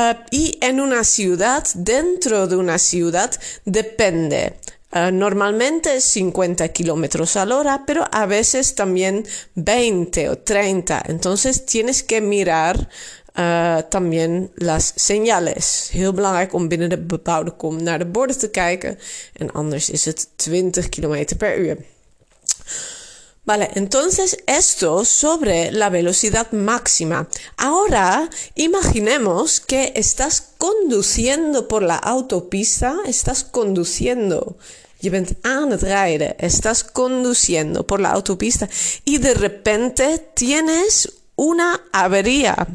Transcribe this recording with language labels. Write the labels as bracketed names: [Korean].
[Spanish] Y en una ciudad, dentro de una ciudad, depende. Normalmente 50 kilómetros a la hora, pero a veces también 20 o 30. Entonces tienes que mirar también las señales. [Dutch] Heel belangrijk om binnen de bebouwde kom naar de borden te kijken. En anders is het 20 kilómetros per uur. [Spanish] Vale, entonces esto sobre la velocidad máxima. Ahora imaginemos que estás conduciendo por la autopista. Estás conduciendo. [Dutch] Je bent aan het rijden. [Spanish] Estás conduciendo por la autopista. Y de repente tienes una avería.